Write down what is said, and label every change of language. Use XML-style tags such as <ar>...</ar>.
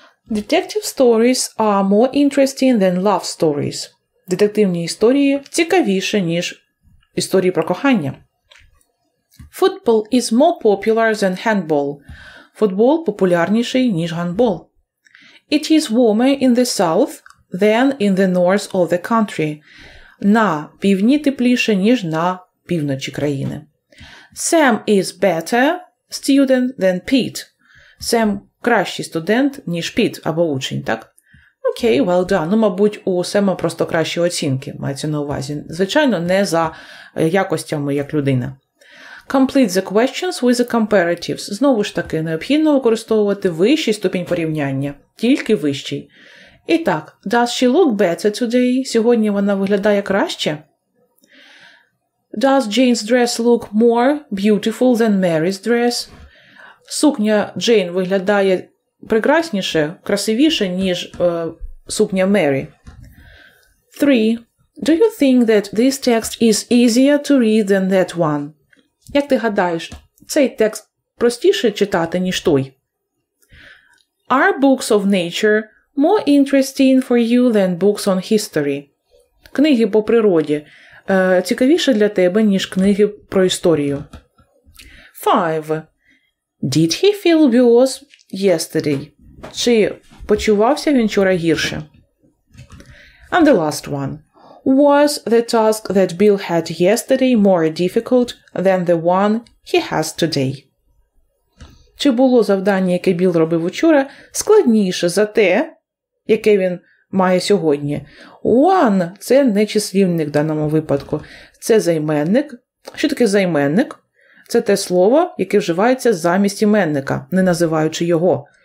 <en>Detective stories are more interesting than love stories.</en> <uk>Детективні історії цікавіше, ніж історії про кохання.</uk> <en>Football is more popular than handball.</en> <uk>Футбол популярніший, ніж гандбол.</uk> <en>It is warmer in the south than in the north of the country.</en> <uk>На півдні тепліше, ніж на півночі країни.</uk> <en>Sam is better student than Pete.</en> <uk>Sam – кращий студент, ніж Піт або учень, так?</uk> <en>Окей, well done.</en> <uk>Ну, мабуть, у Сема просто кращі оцінки, мається на увазі. Звичайно, не за якостями, як людина.</uk> <en>Complete the questions with the comparatives.</en> <uk>Знову ж таки, необхідно використовувати вищий ступінь порівняння, тільки вищий. І так,</uk> <en>does she look better today?</en> <uk>Сьогодні вона виглядає краще?</uk> <en>Does Jane's dress look more beautiful than Mary's dress?</en> <uk>Сукня Джейн виглядає прекрасніше, красивіше, ніж сукня Мері. 3.</uk> <en>Do you think that this text is easier to read than that one?</en> <uk>Як ти гадаєш, цей текст простіше читати, ніж той?</uk> <en>Are books of nature more interesting for you than books on history?</en> <uk>Книги по природі цікавіше для тебе, ніж книги про історію.</uk> <en>5. Did he feel worse yesterday?</en> <uk>Чи почувався він вчора гірше?</uk> <en>And the last one. Was the task that Bill had yesterday more difficult than the one he has today?</en> <uk>Чи було завдання, яке Білл робив учора, складніше за те, яке він має сьогодні? One – це не числівник в даному випадку. Це займенник. Що таке займенник? Це те слово, яке вживається замість іменника, не називаючи його.</uk>